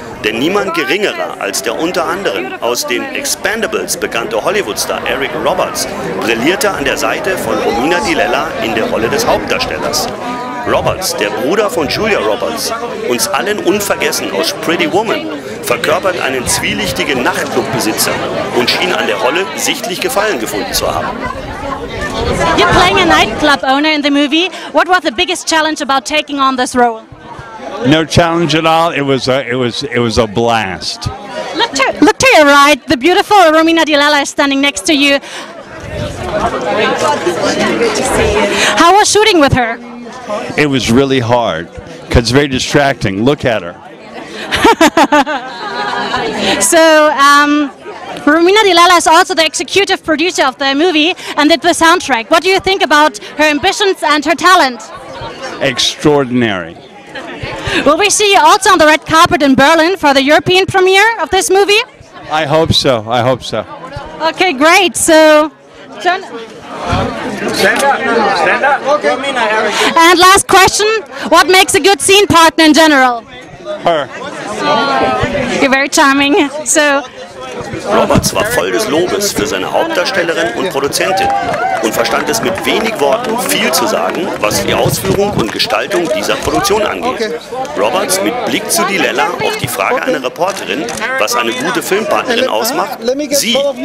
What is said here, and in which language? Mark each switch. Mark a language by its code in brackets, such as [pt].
[de] Denn niemand geringerer als der unter anderem aus den Expendables bekannte Hollywood-Star Eric Roberts brillierte an der Seite von Romina Di Lella in der Rolle des Hauptdarstellers. Roberts, der Bruder von Julia Roberts, uns allen unvergessen aus Pretty Woman, verkörpert einen zwielichtigen Nachtclubbesitzer und schien an der Rolle sichtlich Gefallen gefunden zu haben. [en] You're playing a nightclub owner in the movie. What was the biggest challenge about taking on this role? No challenge at all. It was a blast. Look to your right. The beautiful Romina Di Lella is standing next to you. How was shooting with her? It was really hard because it's very distracting. Look at her. So, Romina Di Lella is also the executive producer of the movie and did the soundtrack. What do you think about her ambitions and her talent? Extraordinary. Will we see you also on the red carpet in Berlin for the European premiere of this movie? I hope so. Okay, great. So, turn. Stand up. Okay, Romina, Eric. And last question, what makes a good scene partner in general? Her. You're very charming. So, [de] Roberts war voll des Lobes für seine Hauptdarstellerin und Produzentin und verstand es mit wenig Worten viel zu sagen, was die Ausführung und Gestaltung dieser Produktion angeht. Roberts mit Blick zu Di Lella auf die Frage einer Reporterin, was eine gute Filmpartnerin ausmacht, sie.